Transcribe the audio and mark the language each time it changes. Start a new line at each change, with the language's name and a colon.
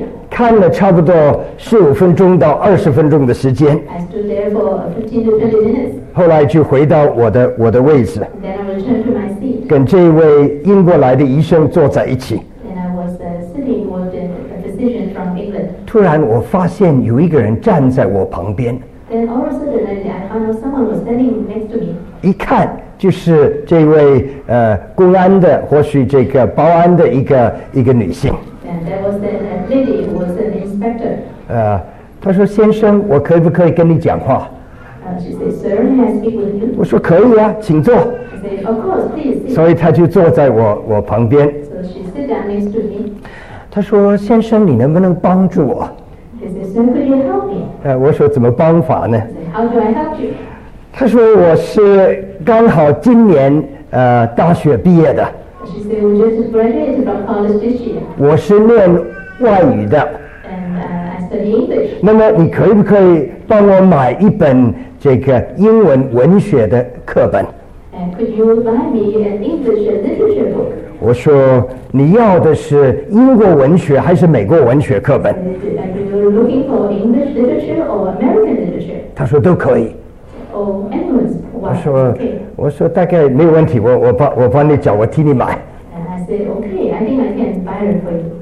Chinese: 看了差不多15分钟到20分钟的时间。
English: I stood there for 15 to 20 minutes.
Chinese: 后来就回到我的位置。
English: Then I returned to my seat.
Chinese: 跟这位英国来的医生坐在一起。
English: And I was sitting with a physician from England.
Chinese: 突然我发现有一个人站在我旁边。
English: Then all of a sudden I found someone was standing next to me.
Chinese: 一看就是这位公安的，或许这个保安的一个女性。
English: Lady was an inspector.
Chinese: 他说先生，我可不可以跟你讲话？
English: She said, sir, may I speak with you?
Chinese: 我说可以啊，请坐。
English: Said, of course, please, please.
Chinese: 所以他就坐在我旁边。
English: So she sat down next to me.
Chinese: 他说先生，你能不能帮助我？
English: Said, sir, could you help me?
Chinese: 我说怎么帮法呢？
English: Said, how do I help you?
Chinese: 他说我是刚好今年大学毕业的。
English: She said, we just graduated from college this year.
Chinese: 我是念外语的。
English: And, I study English.
Chinese: 那么你可不可以帮我买一本这个英文文学的课本？
English: And could you buy me an English literature book?
Chinese: 我说你要的是英国文学还是美国文学课本？
English: Are you looking for English literature or American literature?
Chinese: 他说都可以。
English: Oh, anyone's one.
Chinese: 我说、
English: okay.
Chinese: 我说大概没有问题，我帮你找，我替你买。
English: And I said, okay, I think I can buy it for you.